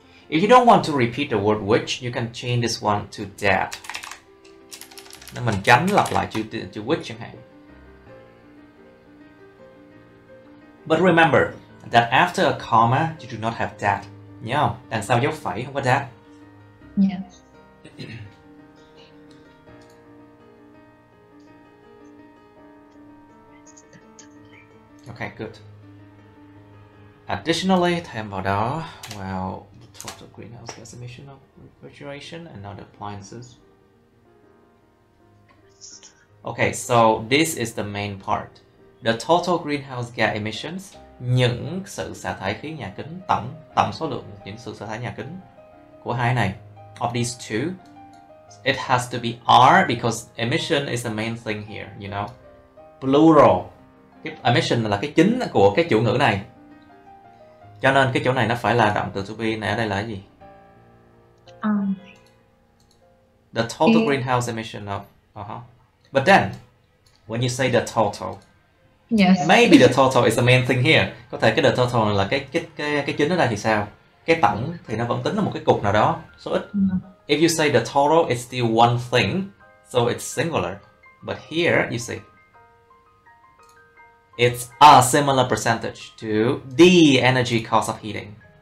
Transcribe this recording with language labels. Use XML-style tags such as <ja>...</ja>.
<en>If you don't want to repeat the word which, you can change this one to that.</en> <vi>Nên mình tránh lặp lại chữ chữ which chẳng hạn.</vi> <en>But remember that after a comma, you do not have that.</en> <vi>Nhớ không? Đằng sau dấu phẩy không có that.</vi> <en>Okay, good. Additionally,</en> <vi>thêm vào đó,</vi> <en>well, total greenhouse gas emission of refrigeration and other appliances. Okay, so this is the main part. The total greenhouse gas emissions,</en> <vi>những sự xả thải khí nhà kính, tổng tổng số lượng những sự xả thải nhà kính của hai này,</vi> <en>of these two, it has to be R because emission is the main thing here, you know. Plural.</en> <vi>Cái emission là cái chính của cái chủ ngữ này. Cho nên cái chỗ này nó phải là động từ to be này, ở đây là cái gì?</vi> <en>The total greenhouse emission of But then, when you say the total, maybe the total is the main thing here.</en> <vi>Có thể cái the total là cái chính ở đây thì sao? Cái tổng thì nó vẫn tính là một cái cục nào đó, số ít.</vi> <en>If you say the total, it's still one thing, so it's singular. But here, you see, it's a similar percentage to the energy cost of heating.</en>